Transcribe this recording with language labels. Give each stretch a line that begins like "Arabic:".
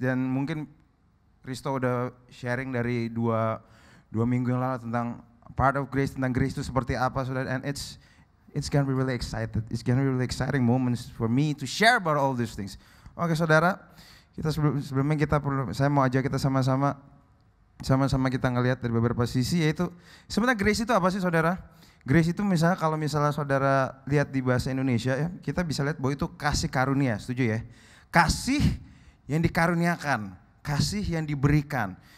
Indonesian: Dan mungkin Christo udah sharing dari dua minggu yang lalu tentang
English: part of grace,
Indonesian: tentang grace itu seperti apa, saudara.
English: And it's gonna be really excited. It's gonna be really exciting moments for me to share about all these things.
Indonesian: Oke, saudara, kita sebelumnya kita perlu, saya mau ajak kita sama-sama kita ngelihat dari beberapa sisi, yaitu sebenarnya grace itu apa sih, saudara? Grace itu misalnya kalau misalnya saudara lihat di bahasa Indonesia ya, kita bisa lihat bahwa itu kasih karunia, setuju ya? Kasih yang dikaruniakan. Kasih yang diberikan.